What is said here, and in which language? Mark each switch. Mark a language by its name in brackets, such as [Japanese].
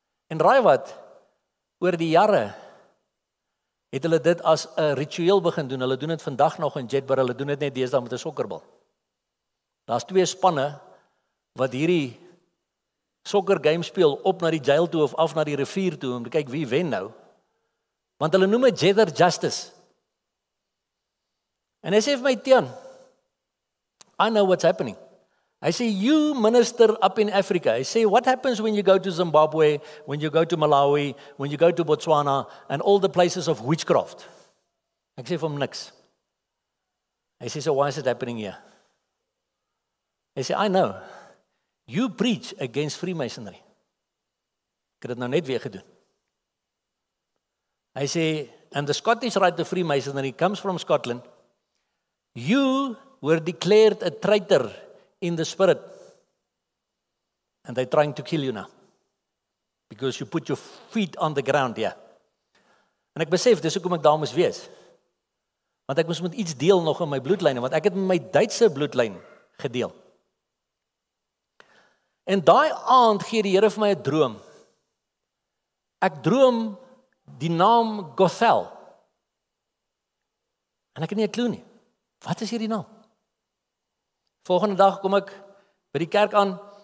[Afrikaans] En raai wat, oor die jare, het hulle dit as 'n ritueel begin doen, hulle doen dit vandag nog in Jedburgh, hulle doen dit net deesdae met 'n sokkerbal. Daar is twee spanne wat hierdie sokker game speel op na die jail toe of af na die rivier toe om te kyk wie wen nou. Want hulle noem het Jedburgh Justice. En hy sê vir my, Tian, [English] I know what's happening. [Afrikaans] Hy sê, [English] you minister up in Africa. Hy sê, what happens when you go to Zimbabwe, when you go to Malawi, when you go to Botswana and all the places of witchcraft? [Afrikaans] Ek sê vir hom niks. Hy sê, [English] so why is it happening here? Hy sê, I know, you preach against Freemasonry. [Afrikaans] Ek het dit nou net weer gedoen. Hy sê, [English] and the Scottish Rite of Freemasonry comes from Scotland. You were declared a traitor in the spirit. And they're trying to kill you now. Because you put your feet on the ground here. [Afrikaans] En ek besef, dis hoekom ek daar moes wees. Want ek moes met iets deel nog in my bloedlijn, want ek het met my Duitse bloedlijn gedeel. En daai aand gee die Here vir my 'n droom. Ek droom die naam Gothel. En ek het nie 'n klou nie. Wat is hierdie naam? Volgende dag kom ek by die kerk aan.